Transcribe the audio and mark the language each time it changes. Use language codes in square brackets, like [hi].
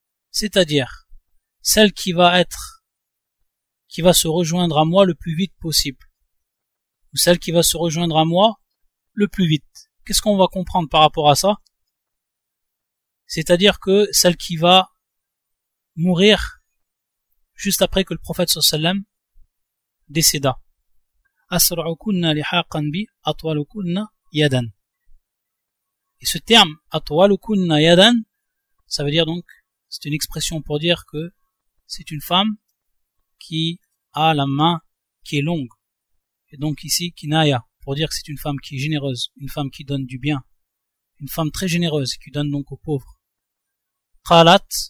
[fr] C'est-à-dire, celle qui va se rejoindre à moi le plus vite possible. Ou celle qui va se rejoindre à moi le plus vite. Qu'est-ce qu'on va comprendre par rapport à ça? C'est-à-dire que celle qui va mourir juste après que le prophète sallallahu alayhi wa sallam décéda. [ar] أسرعكنّ لحاقا بي أطولكنّ Yadan. [fr] Et ce terme, [ar] atwalukunna yadan, [fr] ça veut dire donc, c'est une expression pour dire que c'est une femme qui a la main qui est longue. Et donc ici, kinaya, pour dire que c'est une femme qui est généreuse, une femme qui donne du bien, une femme très généreuse qui donne donc aux pauvres. Qalat.